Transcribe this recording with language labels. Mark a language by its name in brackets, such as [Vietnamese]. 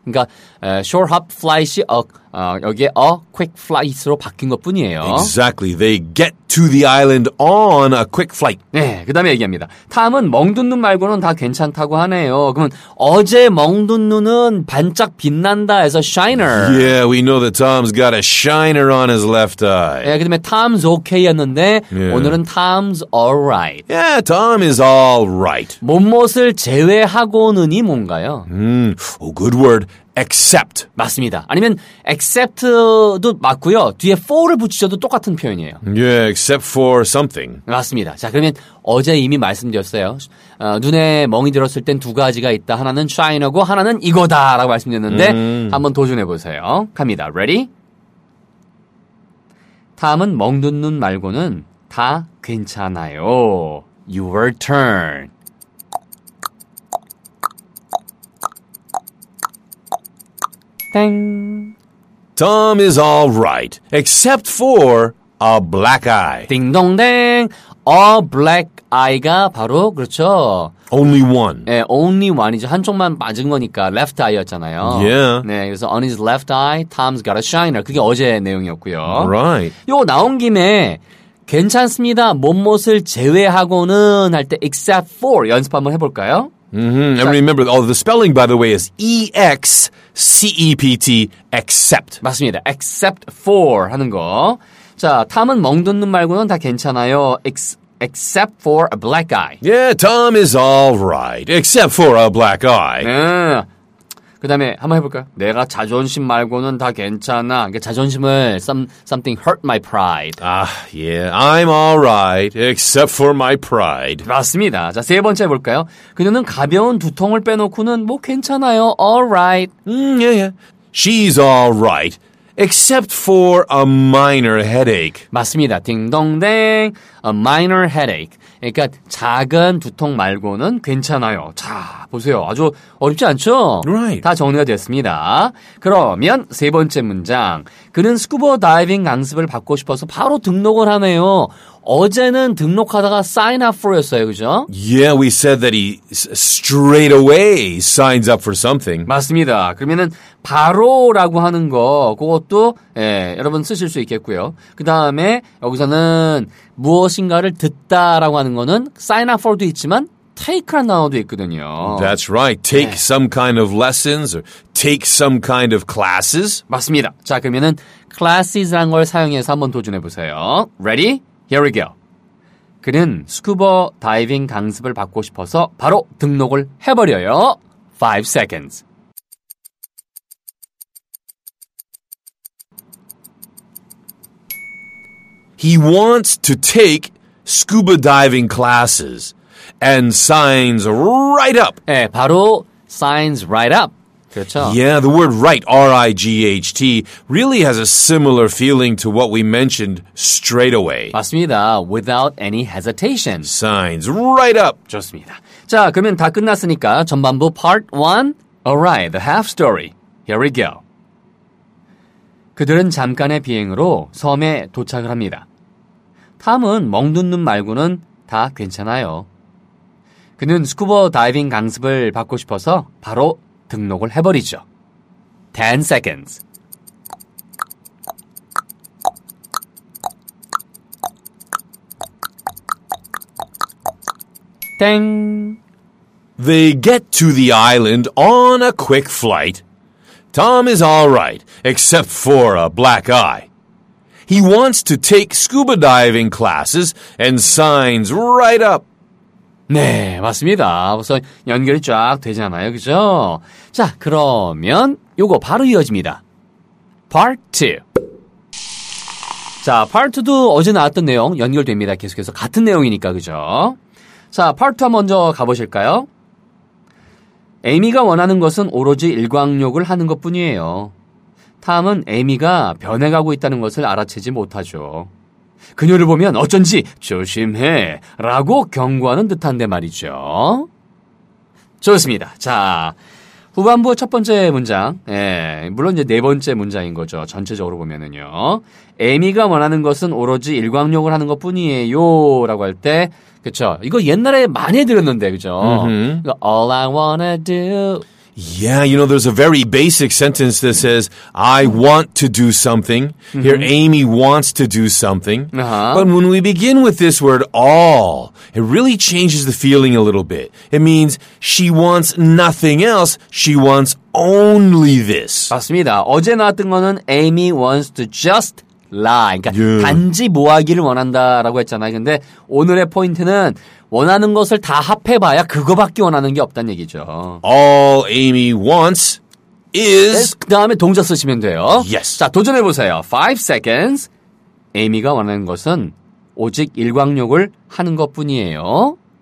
[Korean] 그러니까 [English] short hop flight [Korean] 이 여기에 [English] a quick flight [Korean] 로 바뀐 것뿐이에요. [English] Exactly. They get to the island on a quick flight. [Korean] 네, 그다음에 얘기합니다. 탐은 멍든 눈 말고는 다 괜찮다고 하네요. 그러면 어제 멍든 눈은 반짝 빛난다 해서 shiner. [English] Yeah, we know that Tom's got a shiner on his left eye. [Korean] 네, 그다음에 [English] Tom's okay [Korean] 였는데 yeah. 오늘은 [English] Tom's all right. Yeah, Tom is all right. [Korean] 못못을 제외하고는이 뭔가요? [English] Oh, good word. except. [Korean] 맞습니다. 아니면 except도 맞고요. 뒤에 for를 붙이셔도 똑같은 표현이에요. [English] Yeah, except for something. [Korean] 맞습니다. 자, 그러면 어제 이미 말씀드렸어요. 눈에 멍이 들었을 땐 두 가지가 있다. 하나는 shiner고 하나는 이거다라고 말씀드렸는데 한번 도전해보세요. 갑니다. [English] Ready? [Korean] 다음은 멍든 눈 말고는 다 괜찮아요. [English] Your turn. [Korean] 땡. [English] Tom is all right, except for a black eye. [Korean] 띵동댕. [English] A black eye가 [Korean] 바로 그렇죠. [English] Only one. [Korean] 네, [English] only one [Korean] 이죠. 한쪽만 맞은 거니까 left eye였잖아요. [English] Yeah. [Korean] 네, 그래서 [English] on his left eye, Tom's got a shiner. [Korean] 그게 어제 내용이었고요. [English] Right. [Korean] 요 나온 김에 괜찮습니다. 못못을 제외하고는 할 때 [English] except for [Korean] 연습 한번 해볼까요? Mm-hmm. [English] And remember, oh, the spelling, by the way, is E-X-C-E-P-T, except. [Korean] 맞습니다. [English] Except for [Korean] 하는 거. 자, 탐은 멍듣는 말고는 다 괜찮아요. [English] Except for a black eye. Yeah, Tom is all right. Except for a black eye. [Korean] 그 다음에 한번 해볼까요? 내가 자존심 말고는 다 괜찮아. 그러니까 자존심을 [English] something hurt my pride. 아, yeah. I'm all right except for my pride. [Korean] 맞습니다. 자, 세 번째 볼까요? 그녀는 가벼운 두통을 빼놓고는 뭐 괜찮아요. [English] All right. Yeah, yeah. She's all right except for a minor headache. [Korean] 맞습니다. 딩동댕. [English] A minor headache. [Korean] 그러니까 작은 두통 말고는 괜찮아요. 자, 보세요. 아주 어렵지 않죠? Right. 다 정리가 됐습니다. 그러면 세 번째 문장. 그는 스쿠버 다이빙 강습을 받고 싶어서 바로 등록을 하네요. 어제는 등록하다가 [English] sign up for [Korean] 였어요. 그죠? [English] Yeah, we said that he straight away signs up for something. [Korean] 맞습니다. 그러면은 바로라고 하는 거 그것도 예, 여러분 쓰실 수 있겠고요. 그다음에 여기서는 무엇인가를 듣다라고 하는 거는 [English] sign up for [Korean] 도 있지만 take라는 단어도 있거든요. [English] That's right. Take [Korean] 네. [English] some kind of lessons or take some kind of classes. [Korean] 맞습니다. 자, 그러면은 classes라는 걸 사용해서 한번 도전해 보세요. [English] Ready? Here we go. [Korean] 그는 스쿠버 다이빙 강습을 받고 싶어서 바로 등록을 해버려요. [English] 5 seconds. He wants to take scuba diving classes and signs right up. [Korean] 예, 바로 [English] signs right up. [Korean] 그렇죠. [English] Yeah, the word right, R-I-G-H-T, really has a similar feeling to what we mentioned straight away. [Korean] 맞습니다. [English] Without any hesitation. Signs right up. [Korean] 좋습니다. 자, 그러면 다 끝났으니까 전반부 [English] part 1. All right, the half story. Here we go. [Korean] 그들은 잠깐의 비행으로 섬에 도착을 합니다. 탐은 멍듣는 말고는 다 괜찮아요. 그는 스쿠버 다이빙 강습을 받고 싶어서 바로 등록을 해버리죠. [English] 10 seconds. Ding. They get to the island on a quick flight. Tom is all right, except for a black eye. He wants to take scuba diving classes and signs right up. [Korean] 네, 맞습니다. 우선 연결이 쫙 되잖아요, 그죠? 자, 그러면 요거 바로 이어집니다. [English] Part 2. [Korean] 자, Part 2도 어제 나왔던 내용 연결됩니다. 계속해서 같은 내용이니까, 그죠? 자, Part 2 먼저 가보실까요? 에이미가 원하는 것은 오로지 일광욕을 하는 것뿐이에요. 탐은 에이미가 변해가고 있다는 것을 알아채지 못하죠. 그녀를 보면 어쩐지 조심해 라고 경고하는 듯한데 말이죠. 좋습니다. 자, 후반부의 첫 번째 문장. 예, 물론 이제 네 번째 문장인 거죠. 전체적으로 보면은요. 에이미가 원하는 것은 오로지 일광욕을 하는 것뿐이에요 라고 할 때 그쵸. 이거 옛날에 많이 해드렸는데, 그죠? Mm-hmm. [English] All I wanna do. Yeah, you know, there's a very basic sentence that says, I want to do something. Mm-hmm. Here, Amy wants to do something. Uh-huh. But when we begin with this word, all, it really changes the feeling a little bit. It means she wants nothing else. She wants only this. [Korean] 맞습니다. 어제 나왔던 거는 [English] Amy wants to just La, [Korean] 그러니까 [English] yeah. [Korean] 단지 뭐 하기를 원한다라고 했잖아요. 근데 오늘의 포인트는 원하는 것을 다 합해봐야 그거밖에 원하는 게 없다는 얘기죠. [English] All Amy wants is [Korean] 그 다음에 동작 쓰시면 돼요. [English] Yes. [Korean] 자, 도전해보세요. [English] 5 seconds. [Korean] 에이미가 원하는 것은 오직 일광욕을 하는 것뿐이에요.